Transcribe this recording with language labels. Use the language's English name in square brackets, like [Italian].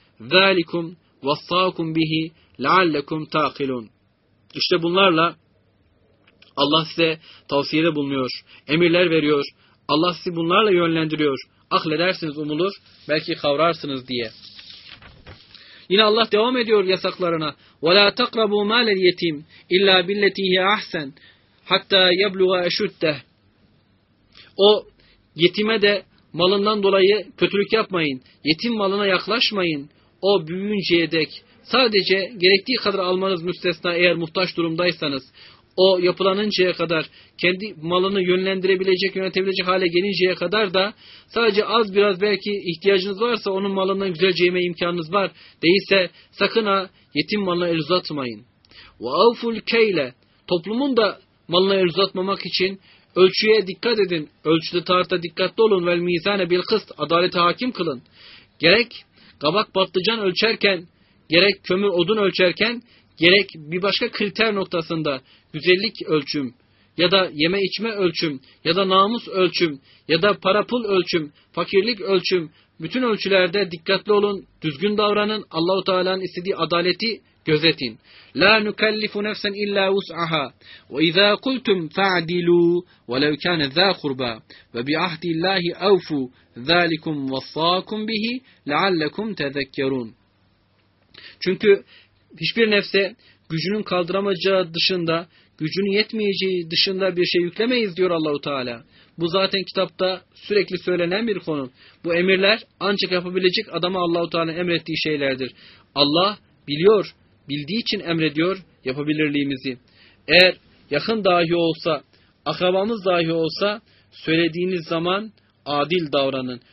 [Arabic] ذَٰلِكُمْ وَصَّاكُمْ بِهِ لَعَلَّكُمْ تَعْقِلُونَ [Turkish] İşte bunlarla Allah size tavsiyede bulunuyor, emirler veriyor. Allah sizi bunlarla yönlendiriyor. Akledersiniz umulur, belki kavrarsınız diye. Yine Allah devam ediyor yasaklarına. [Arabic] وَلَا تَقْرَبُوا مَالَ الْيَتِيمِ اِلَّا بِالَّتِيهِ اَحْسَنِ hatta yebluğa eşüddeh. [Turkish] O yetime de malından dolayı kötülük yapmayın. Yetim malına yaklaşmayın. O büyüyünceye dek sadece gerektiği kadar almanız müstesna eğer muhtaç durumdaysanız. O yapılanıncaya kadar kendi malını yönlendirebilecek, yönetebilecek hale gelinceye kadar da sadece az biraz belki ihtiyacınız varsa onun malından güzelce yeme imkanınız var. Değilse sakın ha yetim malına el uzatmayın. [Arabic] وَاَوْفُ الْكَيْلَ [Turkish] Toplumun da malına el uzatmamak için ölçüye dikkat edin. Ölçüde tarihte dikkatli olun. [Arabic] وَالْمِيزَانَ بِالْقِسْتِ [Turkish] Adaleti hakim kılın. Gerek kabak patlıcan ölçerken, gerek kömür odun ölçerken, gerek bir başka kriter noktasında güzellik ölçüm ya da yeme içme ölçüm ya da namus ölçüm ya da para pul ölçüm, fakirlik ölçüm, bütün ölçülerde dikkatli olun, düzgün davranın, Allah-u Teala'nın istediği adaleti gözetin. [Arabic] لَا نُكَلِّفُ نَفْسًا اِلَّا وُسْعَهَا وَاِذَا قُلْتُمْ فَعْدِلُوا وَلَوْ كَانَ ذَا قُرْبَى وَبِعَهْدِ اللّٰهِ اَوْفُوا ذَٰلِكُمْ وَصَّاكُمْ بِهِ لَعَلَّكُمْ تَذَكَّرُونَ [Turkish] Çünkü hiçbir nefse gücünün kaldıramayacağı dışında, gücünün yetmeyeceği dışında bir şey yüklemeyiz diyor Allah-u Teala. Bu zaten kitapta sürekli söylenen bir konu. Bu emirler ancak yapabilecek adama Allah-u Teala'nın emrettiği şeylerdir. Allah biliyor, bildiği için emrediyor yapabilirliğimizi. Eğer yakın dahi olsa, akrabamız dahi olsa söylediğiniz zaman adil davranın.